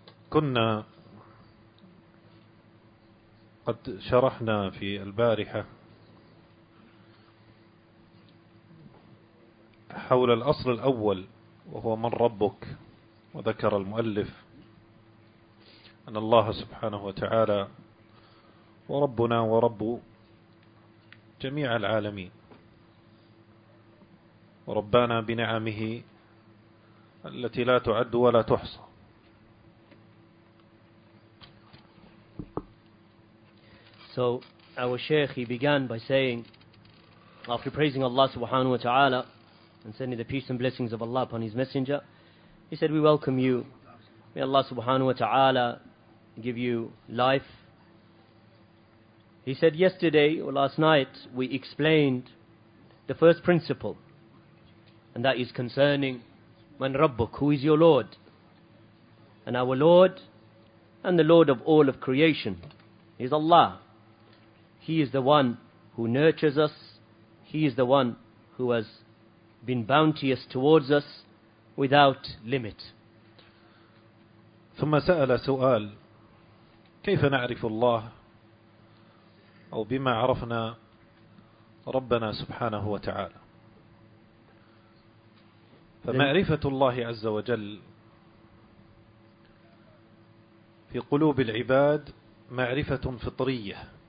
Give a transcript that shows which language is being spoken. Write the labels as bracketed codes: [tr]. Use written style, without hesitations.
[ar] كنا قد شرحنا في البارحة حول الأصل الأول، وهو من ربك، وذكر المؤلف أن الله سبحانه وتعالى وربنا ورب جميع العالمين، وربانا بنعمه التي لا تعد ولا تحصى. [en] So our sheikh, he began by saying, after praising Allah subhanahu wa ta'ala and sending the peace and blessings of Allah upon His Messenger, He said, we welcome you. May Allah subhanahu wa ta'ala give you life. He said, yesterday or last night, we explained the first principle, and that is concerning [ar] Man Rabbuk, [en] who is your Lord? And our Lord, and the Lord of all of creation, is Allah. He is the one who nurtures us. He is the one who has been bounteous towards us without limit. [ar] ثم سأل سؤال: كيف نعرف الله، أو بما عرفنا ربنا سبحانه وتعالى؟ فمعرفة الله عز وجل في قلوب العباد معرفة فطرية،